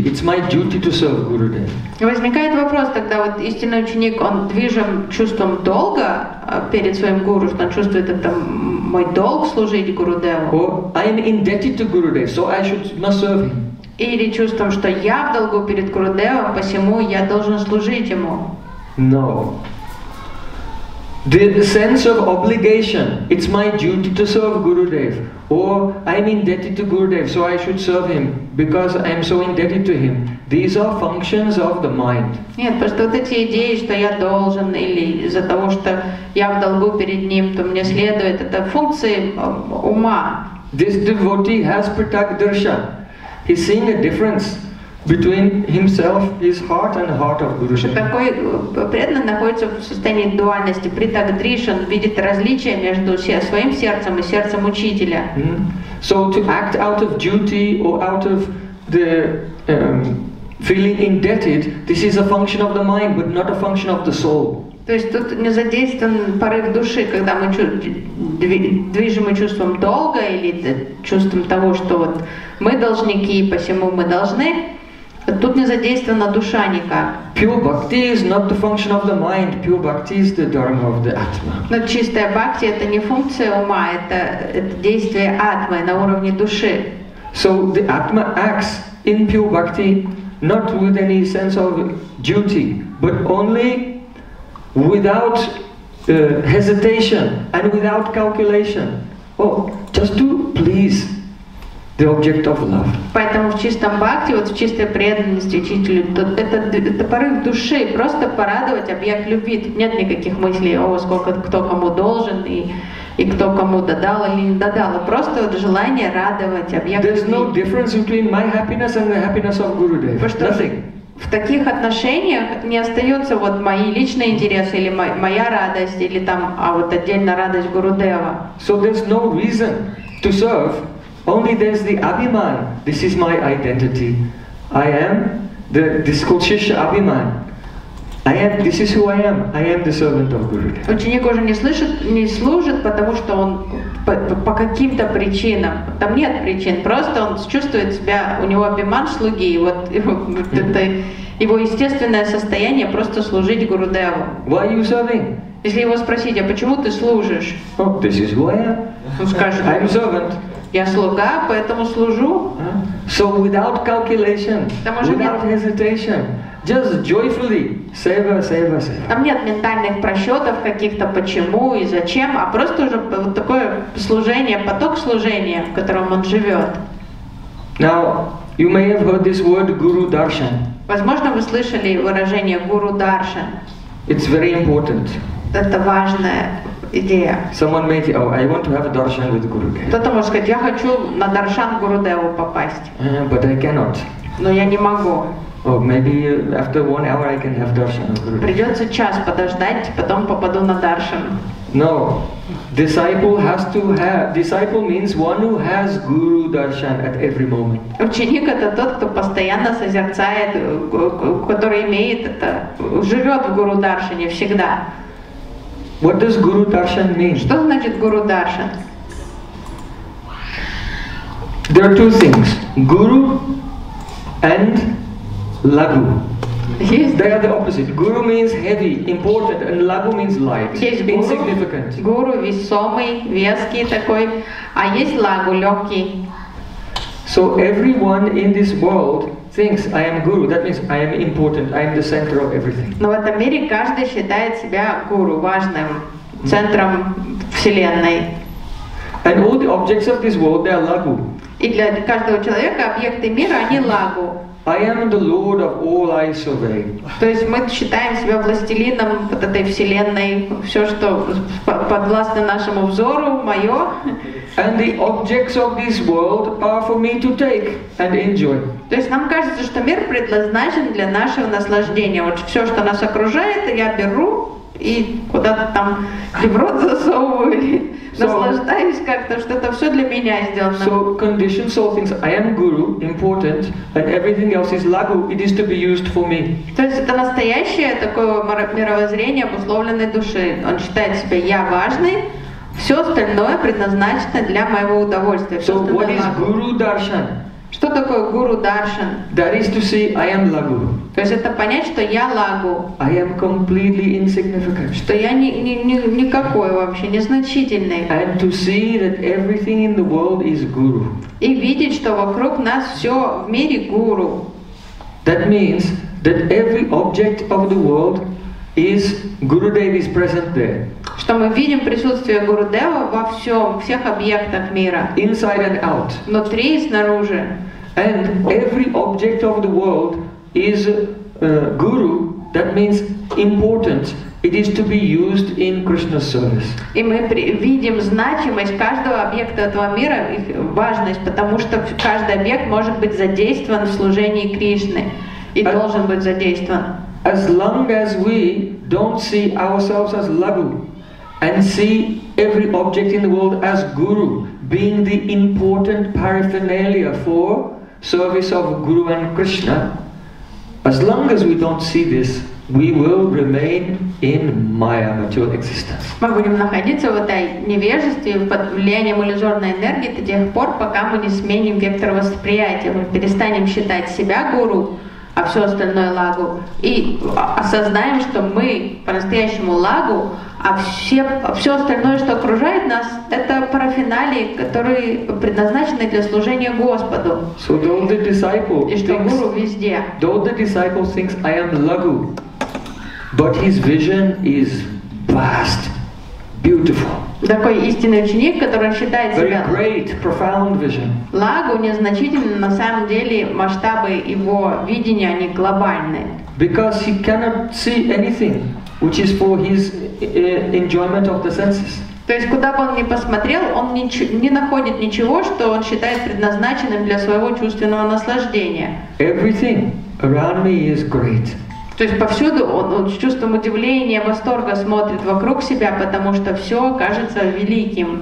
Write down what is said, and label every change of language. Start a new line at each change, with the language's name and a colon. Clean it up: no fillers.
English: It's my duty to serve Gurudev.
Russian: Возникает вопрос тогда, вот истинный ученик, он движим чувством долга перед своим гуру, что он чувствует, это мой долг служить Гурудеву.
English: Or I am indebted to Gurudev, so I should must serve him.
Russian: Или чувством, что я в долгу перед Гурудевом, посему я должен служить ему.
English: No. The sense of obligation, it's my duty to serve Gurudev. Or I'm indebted to Gurudev, so I should serve him because I'm so indebted to him. These are functions of the mind.
Russian: Нет, просто вот эти идеи, что я должен, или из-за того, что я в долгу перед ним, то мне следует, это функции ума.
English: This devotee has pratak darsha. He's seeing a difference between himself, his heart, and the heart of Guru Shri.
Russian: Такой преданный находится в состоянии дуальности, притагдришан, видит различия между своим сердцем и сердцем учителя.
English: So to act out of duty or out of the feeling indebted, this is a function of the mind, but not a function of the soul.
Russian: То есть тут не задействован порыв души, когда мы движимы чувством долга или чувством того, что вот мы должники, посему мы должны. Тут не задействована душа никак.
English: Pure bhakti is not the function of the mind. Pure bhakti is the dharma of the atma.
Russian: Но чистая бхакти — это не функция ума, это действие атмы на уровне души.
English: So the atma acts in pure bhakti not with any sense of duty, but only without hesitation and without calculation. Oh, just to please the object of love.
Russian: Поэтому в чистом бхакти, вот в чистой преданности учителю, это порыв души, просто порадовать объект любви. Тут нет никаких мыслей, о, сколько кто кому должен и кто кому додал или не додал. Просто вот желание радовать объект
English: There's
Russian: любви.
English: There's no difference between my happiness and the happiness of Gurudev. Nothing.
Russian: В таких отношениях не остается вот мои личные интересы или моя радость или там, а вот отдельно радость Гурудева.
English: So there's no reason to serve. Only there's the Abhiman. This is my identity. I am the Diskulshisha Abhiman. I am, this is who I am. I am the servant of Gurudev.
Russian: Ученик уже не служит, потому что он по каким-то причинам. Там нет причин. Просто он чувствует себя, у него Абхиман слуги. И вот это его естественное состояние — просто служить Гурудеву.
English: Why are you serving?
Russian: Если его спросить, а почему ты служишь?
English: Oh, this is who I am.
Russian: Он скажет,
English: I'm a servant.
Russian: Я слуга, поэтому служу.
English: So without calculation, without hesitation, just joyfully, seva, seva, seva.
Russian: Там нет ментальных просчетов каких-то, почему и зачем, а просто уже вот такое служение, поток служения, в котором он живет.
English: Now, you may have heard this word guru darshan.
Russian: Возможно, вы слышали выражение guru darshan.
English: It's very important.
Russian: Это важное. Идея.
English: Someone may say, "Oh, I want to have a darshan with Guru."
Russian: Кто-то может сказать, я хочу на даршан Гурудеву попасть.
English: But I cannot.
Russian: Но я не могу.
English: Oh, maybe after 1 hour I can have darshan with Guru.
Russian: Придется час подождать, потом попаду на даршан.
English: No, disciple has to have. Disciple means one who has Guru darshan at every moment.
Russian: Ученик — это тот, кто постоянно созерцает, который имеет это, живет в Гуру даршане всегда.
English: What does Guru Darshan mean?
Russian: Что значит Guru Darshan?
English: There are two things, guru and lagu.
Russian: Есть.
English: They are the opposite. Guru means heavy, important, and lagu means light,
Russian: есть
English: insignificant.
Russian: Guru весомый, веский такой, а есть лагу легкий.
English: So everyone in this world thinks I am guru. That means I am important. I am the center of everything.
Russian: Но в этом мире каждый считает себя гуру важным центром вселенной.
English: And all the objects of this world, they are lagu.
Russian: И для каждого человека объекты мира они лагу.
English: I am the lord of all I survey.
Russian: То есть мы считаем себя властелином вот этой вселенной, все что подвластно нашему взору, мое.
English: And the objects of this world are for me to take and enjoy.
Russian: То есть нам кажется, что мир предназначен для нашего наслаждения. Вот все, что нас окружает, я беру и куда-то там в рот засовываю. Наслаждаюсь как-то, что это все для меня сделано.
English: So conditions all things. I am guru, important, and everything else is lagu. It is to be used for me.
Russian: То есть это настоящее такое мировоззрение обусловленной души. Он считает себя я важный. Все остальное предназначено для моего удовольствия.
English: So what is guru darshan?
Russian: Что такое guru darshan?
English: That is to see I am lagu.
Russian: То есть это понять, что я лагу.
English: I am completely insignificant.
Russian: Что я никакой вообще, незначительный.
English: And to see that everything in the world is guru.
Russian: И видеть, что вокруг нас все в мире гуру.
English: That means that every object of the world is Guru Dev is present there.
Russian: Что мы видим присутствие Гуру Дева во всем, всех объектах мира.
English: Inside and out.
Russian: Внутри и снаружи.
English: And every object of the world is guru, that means important. It is to be used in Krishna's service.
Russian: И мы видим значимость каждого объекта этого мира, их важность, потому что каждый объект может быть задействован в служении Кришны и должен быть задействован.
English: As long as we don't see ourselves as lagu and see every object in the world as guru, being the important paraphernalia for service of Guru and Krishna, as long as we don't see this, we will remain in Maya, material existence.
Russian: Мы будем находиться в этой невежестве, под влиянием иллюзорной энергии до тех пор, пока мы не сменим вектор восприятия. Мы перестанем считать себя гуру, а все остальное лагу. И осознаем, что мы по-настоящему лагу, а все остальное, что окружает нас, это парафиналии, которые предназначены для служения Господу.
English: So don't the disciple
Russian: и что
English: thinks,
Russian: гуру везде.
English: Don't the disciple thinks I am lagu, but his vision is vast, beautiful.
Russian: Такой истинный ученик, который считает
English: very
Russian: себя
English: great, profound vision.
Russian: Лагу незначительно, на самом деле масштабы его видения они глобальные.
English: Because he cannot see anything which is for his enjoyment of the senses.
Russian: То есть куда бы он ни посмотрел, он не находит ничего, что он считает предназначенным для своего чувственного наслаждения.
English: Everything around me is great.
Russian: То есть повсюду он с чувством удивления, восторга смотрит вокруг себя, потому что все кажется великим.